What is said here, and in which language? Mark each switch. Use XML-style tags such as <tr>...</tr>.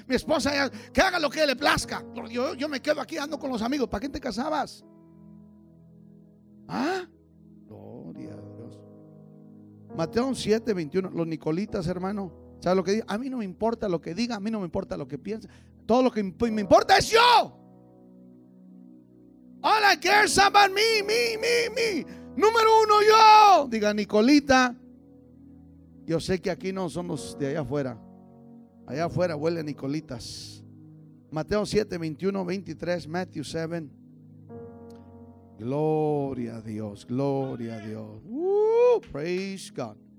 <es>Mi esposa, ya, que haga lo que le plazca. Gloria a Dios, yo me quedo aquí, ando con los amigos. ¿Para qué te casabas? ¿Ah? Gloria a Dios. Mateo 7, 21. Los Nicolitas, hermano. ¿Sabe lo que dice? A mí no me importa lo que diga, a mí no me importa lo que piense. Todo lo que me importa es yo.</es> <en>All I care is about me, me, me, me.</en> <es>Número uno yo. Diga Nicolita, yo sé que aquí no son los de allá afuera. Allá afuera huele a Nicolitas. Mateo 7, 21, 23, Matthew 7. Gloria a Dios, gloria a Dios.</es> <en>Praise God.</en>